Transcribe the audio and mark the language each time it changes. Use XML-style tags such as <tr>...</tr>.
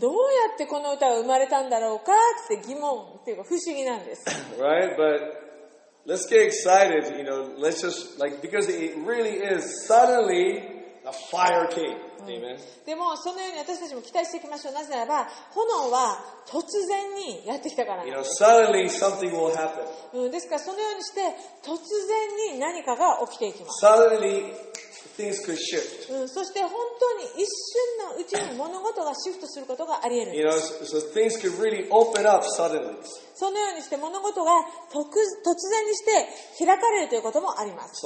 <ja>どうやってこの歌が生まれたんだろうかって疑問っていうか不思議なんです。</ja> <en>Right, but let's get excited, you know. Let's just like because it really is suddenly a fire came. Amen.</en> <ja>でもそのように私たちも期待していきましょう。なぜならば炎は突然にやってきたからなんです。</ja> <en>You know, suddenly something will happen.</en> <ja>ですからそのようにして突然に何かが起きていきます。</ja> <en>Suddenly. Things could shift.</en> <ja>そして本当に一瞬のうちに物事がシフトすることがあり得るんです。</ja> <en>You know, so things could really open up suddenly.</en> <ja>そのようにして物事が突然にして開かれるということもあります。</ja>